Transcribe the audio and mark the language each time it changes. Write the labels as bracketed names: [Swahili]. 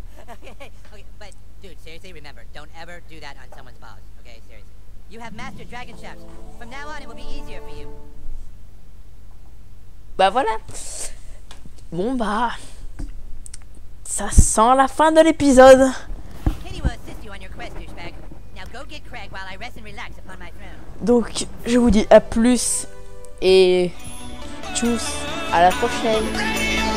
[English] Okay, but, dude, seriously, remember, don't ever do that on someone's boss. Okay, seriously. You have mastered dragon shafts. From now on, it will be easier for you. [French] Bah voilà. Bon bah, ça sent la fin de l'épisode. [English] Kenny will assist you on your quest, Douchebag. Now go get Craig while I rest and relax upon my throne. [French] Donc, je vous dis à plus et tchuss, à la prochaine.